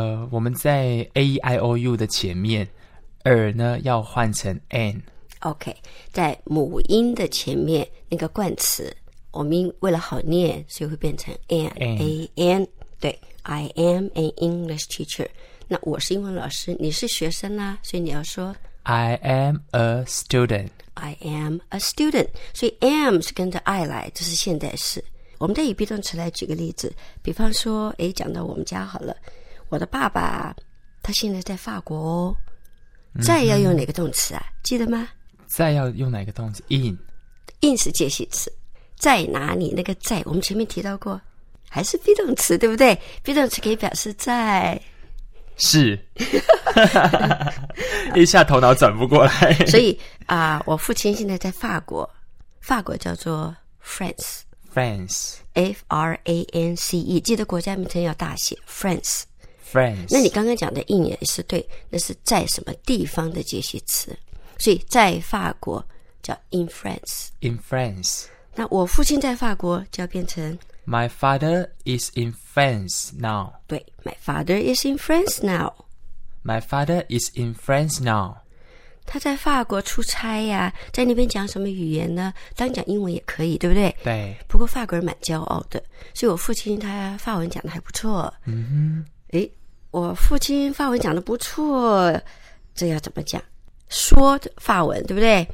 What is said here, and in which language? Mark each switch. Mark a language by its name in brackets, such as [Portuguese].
[Chinese] 我们在 AIOU 的前面耳呢要换成 N。 OK， 在母音的前面那个冠词我们为了好念，所以会变成 AN。 [English] 对， I am an English teacher。 [Chinese] 那我是英文老师，你是学生啦，所以你要说 [English] I am a student。 I am a student， [Chinese] 所以 am 是跟着 I 来，这是现在式。我们再以 be 动词来举个例子，比方说诶，讲到我们家好了，我的爸爸他现在在法国哦。再要用哪个动词啊？记得吗？再要用哪个动词？in。 in 是介系词。在哪里那个在我们前面提到过，还是 be 动词，对不对？ be 动词可以表示在。是。一下头脑转不过来。所以啊，我父亲现在在法国。法国叫做 France。 [English] France。 France。 [Chinese] 记得国家名称要大写 France。 [English] France。 [Chinese] 那你刚刚讲的 in 也是对，那是在什么地方的介系词，所以在法国叫 [English] in France。 in France。 [Chinese] 那我父亲在法国就要变成 [English] my father is in France now。对， my father is in France now。 my father is in France now。 [Chinese] 他在法国出差呀，在那边讲什么语言呢？当讲英文也可以，对不对？对。不过法国人蛮骄傲的，所以我父亲他法文讲的还不错。嗯哼。诶，我父亲法文讲的不错，这要怎么讲？说的法文，对不对？